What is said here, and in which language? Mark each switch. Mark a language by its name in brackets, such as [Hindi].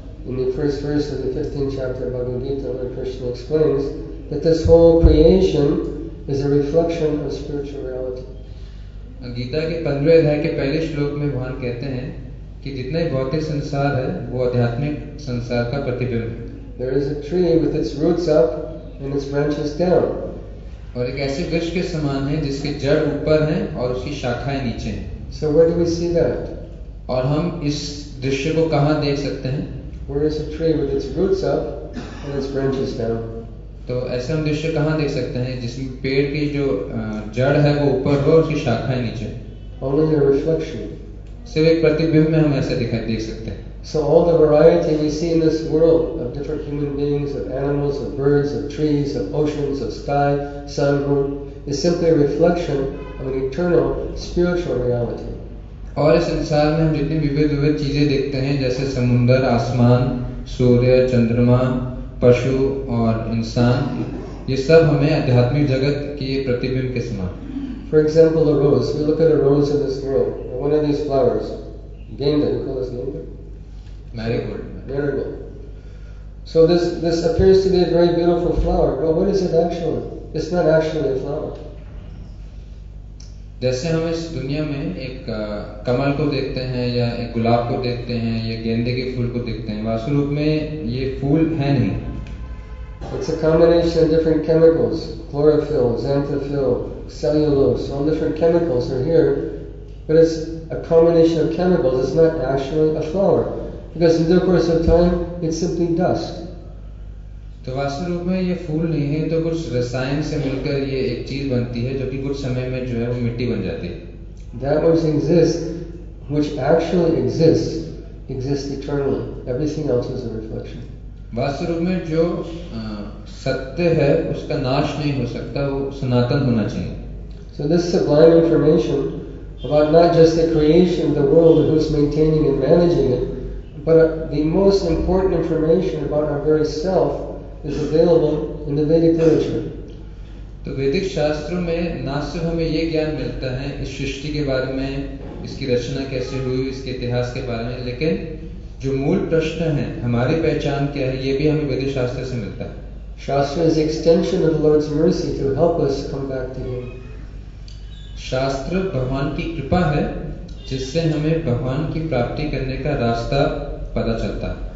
[English] In the first verse of the 15th chapter of Bhagavad Gita, Lord Krishna explains that this whole creation is a reflection of spiritual reality. [Hindi] Gita के 15वें अध्याय के पहले श्लोक में भगवान कहते हैं कि जितने भौतिक संसार है वो आध्यात्मिक संसार का प्रतिबिंब है. [English] There is a tree with its roots up and its branches down. [Hindi] और एक ऐसे वृक्ष के समान है जिसके जड़ ऊपर हैं और उसकी शाखाएं नीचे हैं. [English] So where do we see that? [Hindi] और हम इस दृश्य को कहां देख सकते हैं? [English] Where is a tree with its roots up and its branches down? [Hindi] तो ऐसे हम दृश्य कहां देख सकते हैं जिसमें पेड़ की जो जड़ है वो ऊपर हो और उसकी शाखाएं नीचे. [English] Only a reflection. [Hindi] सिर्फ एक प्रतिबिंब में हम ऐसे दिखाई देख सकते हैं. [English] So all the variety we see in this world of different human beings, of animals, of birds, of trees, of oceans, of sky, sun, moon, is simply a reflection of an eternal spiritual reality. [Hindi] और इस संसार में हम जितनी विविध विविध चीजें देखते हैं जैसे समुद्र, आसमान, सूर्य, चंद्रमा, पशु और इंसान, ये सब हमें आध्यात्मिक जगत की प्रतिबिंब के समान. [English] For example, a rose. We look at a rose in this world. One of these flowers, Genda, you call this Genda? Marigold. Marigold. So this appears to be a very beautiful flower, but what is it actually? It's not actually a flower. [Hindi] जैसे हम इस दुनिया में एक कमल को देखते हैं या एक गुलाब को देखते हैं या गेंदे के फूल को देखते हैं, वास्तव रूप में ये फूल है नहीं. [English] It's a combination of different chemicals, chlorophyll, xanthophyll, cellulose, all different chemicals are here. But it's a combination of chemicals. It's not actually a flower, because in the course of time, it's simply dust. [Hindi] तो वास्तव रूप में ये फूल नहीं है, तो कुछ रसायन से मिलकर ये एक चीज बनती है, जो कि कुछ समय में जो है वो मिट्टी बन जाती है. [English] That which exists, which actually exists, exists eternally. Everything else is a reflection. [Hindi] वास्तव रूप में जो सत्य है, उसका नाश नहीं हो सकता, वो सनातन होना चाहिए. [English] So this sublime information. About not just the creation of the world and who's maintaining and managing it, but the most important information about our very self is available in the Vedic literature. [Hindi] तो वैदिक शास्त्रों में ना सिर्फ हमें ये ज्ञान मिलता है इस सृष्टि के बारे में, इसकी रचना कैसे हुई, इसके इतिहास के बारे में, लेकिन जो मूल प्रश्न है हमारी पहचान क्या है, ये भी हमें वैदिक शास्त्र से मिलता है. [English] Shastra is extension of the Lord's mercy to help us come back to Him. [Hindi] शास्त्र भगवान की कृपा है जिससे हमें भगवान की प्राप्ति करने का रास्ता पता चलता